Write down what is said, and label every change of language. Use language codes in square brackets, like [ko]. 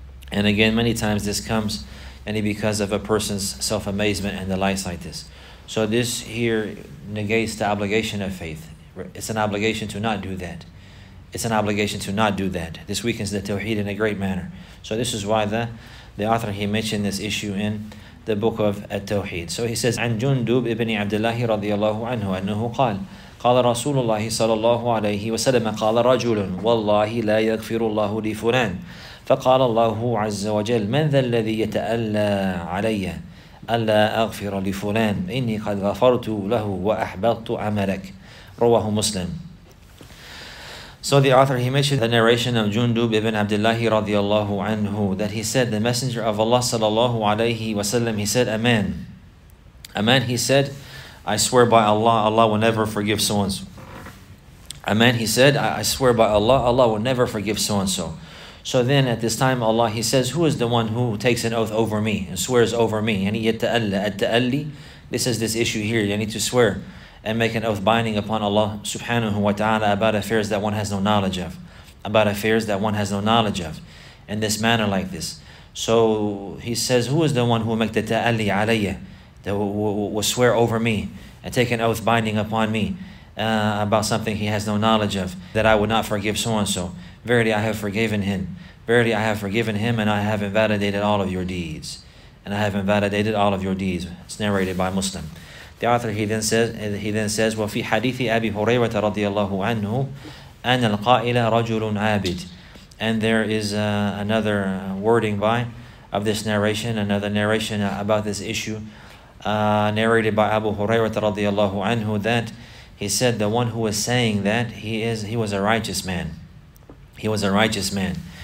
[en] And again, many times this comes because of a person's self-amazement and the likes like this. So this here negates the obligation of faith. It's an obligation to not do that. This weakens the tawheed in a great manner. So this is why the author, he mentioned this issue in the book of At-Tawheed. So he says, [ar] عن جندب ابن عبد الله رضي الله عنه أنه قال قال رسول الله صلى الله عليه وسلم قال رجل والله لا يغفر الله لفلان فقال الله عز وجل من ذا الذي يتألى علي ألا أغفر لفلان إني قد غفرت له وأحبطت عملك رواه مسلم. [en] So the author, he mentioned the narration of Jundub ibn Abdullah radiallahu anhu, that he said, the Messenger of Allah sallallahu alayhi wa sallam, he said, Amen. Amen, he said, I swear by Allah, Allah will never forgive so-and-so. Amen, he said, I swear by Allah, Allah will never forgive so-and-so. So then at this time, Allah, he says, who is the one who takes an oath over me and swears over me? And yata'alla, at-ta'alli, this is this issue here, you need to swear and make an oath binding upon Allah subhanahu wa ta'ala about affairs that one has no knowledge of. About affairs that one has no knowledge of. In this manner like this. So he says, who is the one who will make the ta'alli alayya, that will swear over me and take an oath binding upon me about something he has no knowledge of, that I would not forgive so-and-so. Verily I have forgiven him. Verily I have forgiven him, and I have invalidated all of your deeds. And I have invalidated all of your deeds. It's narrated by Muslim. The author, he then says, [ar] وَفِي حَدِيثِ أَبِي هُرَيْرَةَ رَضِيَ اللَّهُ عَنْهُ أَنَّ الْقَائِلَ رَجُلٌ عَابِدٌ. [en] And there is another wording by of this narration, another narration about this issue, narrated by Abu Hurairah [ar] رَضِيَ اللَّهُ عَنْهُ, [en] that he said, the one who was saying that, he was a righteous man. He was a righteous man.